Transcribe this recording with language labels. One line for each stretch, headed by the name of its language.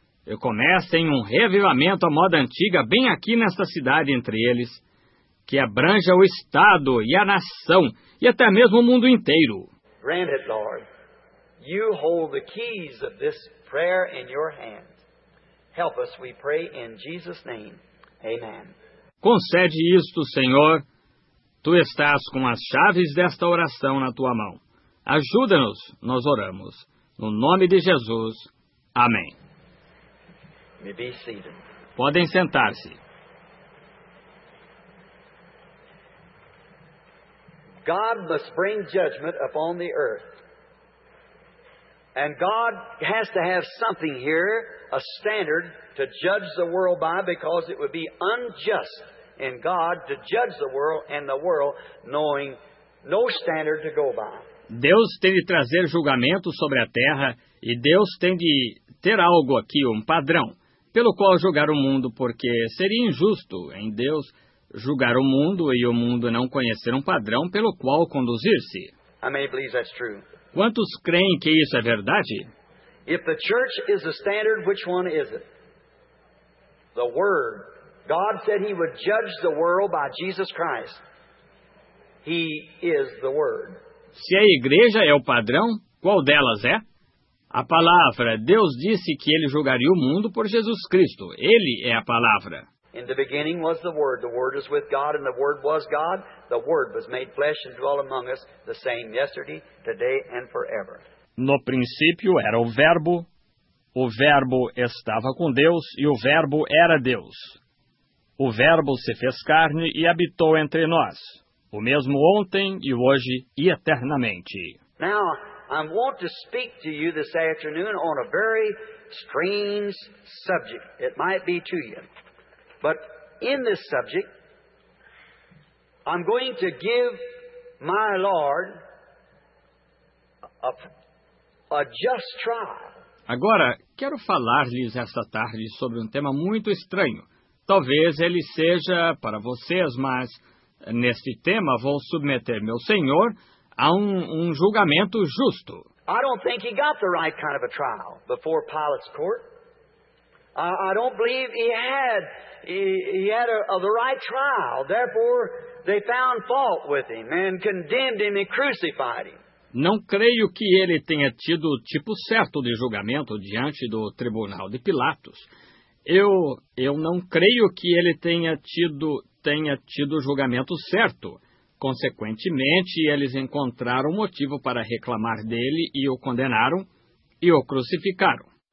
Portuguese: Eu comece em um reavivamento à moda antiga bem aqui nesta cidade entre eles, que abranja o Estado e a nação e até mesmo o mundo inteiro.
English: Grant it, Lord. You hold the keys of this prayer in your hand. Help us, we pray in Jesus' name. Amen.
Portuguese: Concede isto, Senhor. Tu estás com as chaves desta oração na tua mão. Ajuda-nos, nós oramos. No nome de Jesus. Amém. Podem sentar-se.
English: God must bring judgment upon the earth. And God has to have something here, a standard to judge the world by, because it would be unjust in God to judge the world and the world knowing no standard to go by.
Portuguese: Deus tem de trazer julgamento sobre a terra e Deus tem de ter algo aqui, um padrão, pelo qual julgar o mundo, porque seria injusto em Deus julgar o mundo e o mundo não conhecer um padrão pelo qual conduzir-se.
English: I may believe that's true.
Portuguese: Quantos creem que isso é verdade?
English: If the church is a standard, which one is it? The Word. God said He would judge the world by Jesus Christ. He is the Word.
Portuguese: Se a igreja é o padrão, qual delas é? A palavra. Deus disse que Ele julgaria o mundo por Jesus Cristo. Ele é a palavra.
English: In the beginning was the Word. The Word was with God, and the Word was God. The Word was made flesh and dwelt among us, the same yesterday, today, and forever.
Portuguese: No princípio era o Verbo estava com Deus, e o Verbo era Deus. O Verbo se fez carne e habitou entre nós, o mesmo ontem e hoje e eternamente.
English: Now, I want to speak to you this afternoon on a very strange subject. It might be to you. But in this subject, I'm going to give my Lord a just trial.
Portuguese: Agora, quero falar-lhes esta tarde sobre um tema muito estranho. Talvez ele seja para vocês, mas neste tema vou submeter meu Senhor a um julgamento justo.
English: I don't think he got the right kind of a trial before Pilate's court. I don't believe he had the right trial. Therefore, they found fault with him and condemned him and crucified him.
Portuguese: Não creio que ele tenha tido o tipo certo de julgamento diante do tribunal de Pilatos. Eu não creio que ele tenha tido o julgamento certo. Consequentemente, eles encontraram motivo para reclamar dele e o condenaram e o crucificaram.